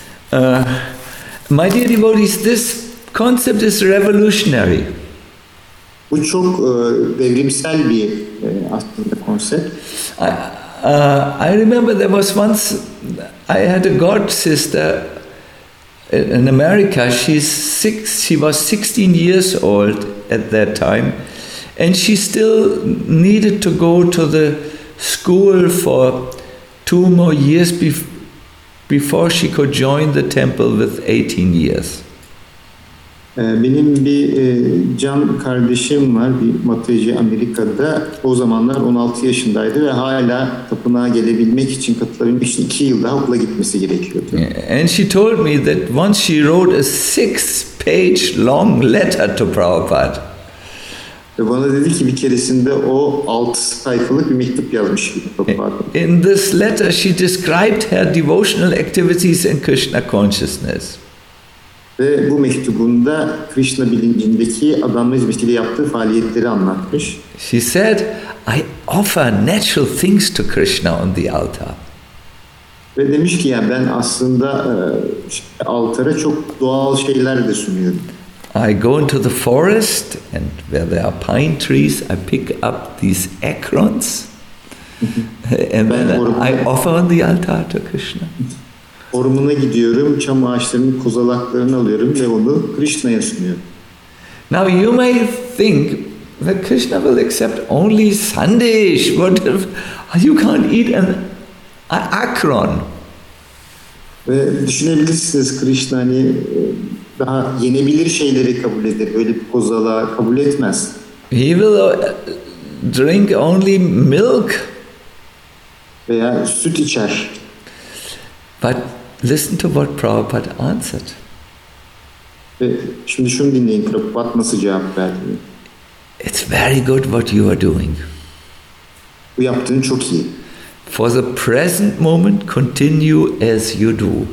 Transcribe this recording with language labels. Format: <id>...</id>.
<en>My dear devotees, this concept is revolutionary.</en> <tr>Bu çok devrimsel bir aslında konsept.</tr> <en>I remember there was once I had a god sister in America. She was 16 years old at that time, and she still needed to go to the school for 2 more years before she could join the temple with 18 years.</en> <tr>Benim bir can kardeşim var, bir Matteci Amerika'da. O zamanlar 16 yaşındaydı ve hala tapınağa gelebilmek için, katılabilmek için 2 yıl daha okula gitmesi gerekiyordu.</tr> <en>And she told me that once she wrote a 6-page long letter to Prabhupada.</en> <tr>Ve bana dedi ki bir keresinde o 6 sayfalık bir mektup yazmış.</tr> <en>In this letter she described her devotional activities in Krishna consciousness.</en> <tr>Ve bu mektubunda Krishna bilincindeki adanma hizmetiyle yaptığı faaliyetleri anlatmış.</tr> <en>She said, I offer natural things to Krishna on the altar.</en> <tr>Ve demiş ki, yani ben aslında altara çok doğal şeyler de sunuyorum.</tr> <en>I go into the forest and where there are pine trees, I pick up these acorns and then I offer on the altar to Krishna.</en> <tr>Ormana gidiyorum, çam ağaçlarının kozalaklarını alıyorum ve onu Krishna'ya sunuyorum.</tr> <en>Now you may think that Krishna will accept only sandesh. What if you can't eat an acorn?</en> <tr>Ve düşünebilirsiniz, Krishna hani daha yenebilir şeyleri kabul eder, böyle bir kozalağı kabul etmez.</tr> <en>He will drink only milk.</en> <tr>Veya süt içer.</tr> <en>But listen to what Prabhupada answered.</en> <tr>Şimdi şunu dinleyin, Prabhupada nasıl cevap verdi?</tr> <en>It's very good what you are doing.</en> <tr>Bu yaptığın çok iyi.</tr> <en>For the present moment, continue as you do.</en>